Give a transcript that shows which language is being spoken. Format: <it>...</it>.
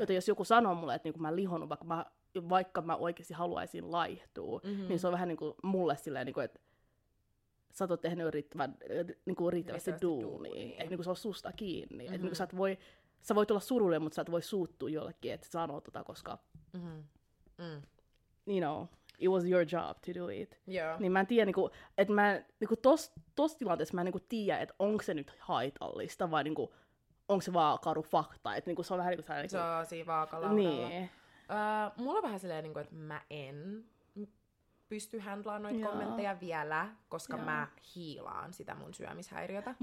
<fi>Joten jos joku sanoo mulle, että niinku mä lihonnut, vaikka mä oikeasti haluaisin laihtua, niin se on vähän niinku mulle silleen, niinku, että sä oot tehnyt riittävästi duunia. Että niinku se on susta kiinni. Mm-hmm. Että niinku sä voit olla surullinen, mutta sä et voi suuttua jollekin, että sanoo tota, koska... Mm-hmm.</fi> <en>You know, it was your job to do it. Yeah.</en> <fi>Niin mä en tiedä, niinku, että mä niinku tossa tilanteessa mä en niinku tiedä, että onko se nyt haitallista vai niinku, onko se vaan karu fakta. Että niinku, se on vähän niinku, sellainen... Se on siinä vaakalaudalla. Niin. Mulla on vähän silleen, että mä en... pysty handlaamaan noita kommentteja vielä, koska mä hiilaan sitä mun syömishäiriötä.</fi>